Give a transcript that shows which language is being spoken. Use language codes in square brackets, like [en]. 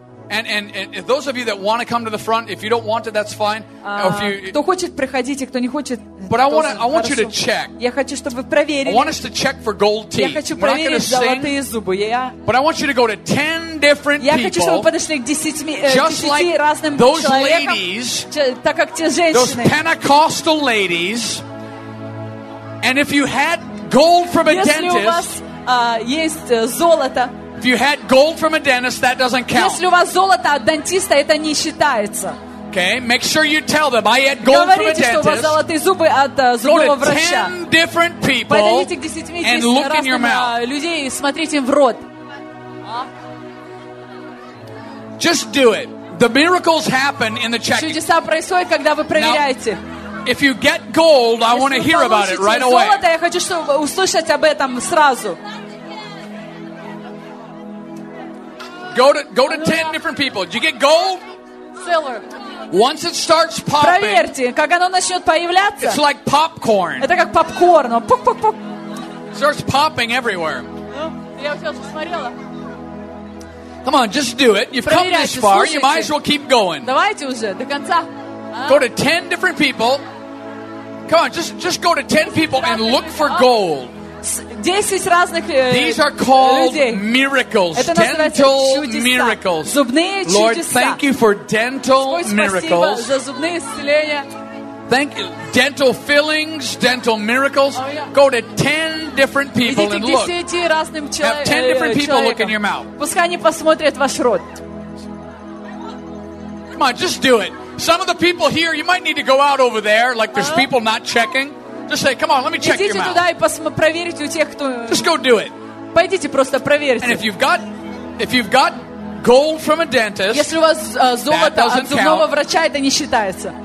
[en] And those of you that want to come to the front, if you don't want to, that's fine. [ru] Кто хочет, приходите, кто не хочет, [en] but I want you to check. [ru] Я хочу, чтобы вы проверили. [en] I want us to check for gold teeth. [ru] Я хочу проверить золотые зубы. [en] But I want you to go to 10 different people. [ru] Я хочу, чтобы вы подошли к 10 разным [en] Those ladies, those Pentecostal ladies, and if you had gold from a dentist. If you had gold from a dentist, that doesn't count. [ru] Если у вас золото от дантиста, это не считается. [en] Okay, make sure you tell them I had gold from a dentist. [ru] Говорите, что у вас золотые зубы от зубного врача. [en] Go to 10 different people and look in your mouth. [ru] Людей смотрите им в рот. [en] Just do it. The miracles happen in the checking. [ru] Чудеса происходят, когда вы проверяете. [en] If you get gold, I want to hear about it right away. [ru] Золото, я хочу, чтобы услышать об этом сразу. [en] Go to 10 different people. Did you get gold? Filler. Once it starts popping. [ru] Проверьте, как оно начнет появляться. [en] It's like popcorn. [ru] Это как попкорн. Пук-пук-пук. [en] Starts popping everywhere. [ru] Я все смотрела. [en] Come on, just do it. You've come this far. You might as well keep going. [ru] Давайте уже до конца. [en] Go to 10 different people. Come on, just go to 10 people and look for gold. [ru] 10 разных людей. [en] These are called miracles. Dental miracles. [ru] Зубные чудеса. [en] Lord, thank you for dental miracles. [ru] Спасибо за зубные исцеления. [en] Thank you. Dental fillings, dental miracles. Go to 10 different people and look. [ru] Идите к 10 разным человекам. [en] Have 10 different people look in your mouth. [ru] Пускай они посмотрят ваш рот. [en] Come on, just do it. Some of the people here, you might need to go out over there, like there's people not checking. Just say, come on, let me check your mouth. [ru] Идите туда и проверьте у тех, кто... [en] Just go do it. [ru] Пойдите просто проверьте. [en] And if you've got gold from a dentist, [ru] если у вас золото от зубного врача, это не считается.